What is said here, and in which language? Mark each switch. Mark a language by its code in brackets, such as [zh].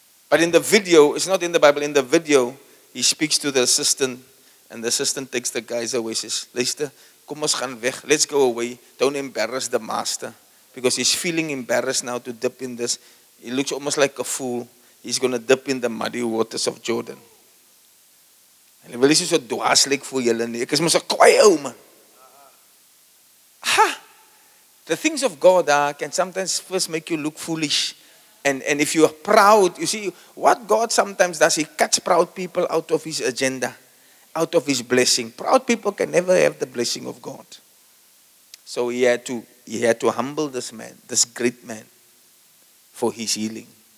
[en] But in the video, it's not in the Bible, in the video, he speaks to the assistant and the assistant takes the guys away. Says, Lester, [af] kom ons gaan weg. [en] Let's go away. Don't embarrass the master. Because he's feeling embarrassed now to dip in this. He looks almost like a fool. He's going to dip in the muddy waters of Jordan. [af] En hy wil nie so dwaaslik voor julle nie. Ek is mos 'n kwaai ou man. Ha! [en] The things of God can sometimes first make you look foolish. And if you are proud, you see, what God sometimes does, he cuts proud people out of his agenda, out of his blessing. Proud people can never have the blessing of God. So he had to humble this man, this great man, for his healing.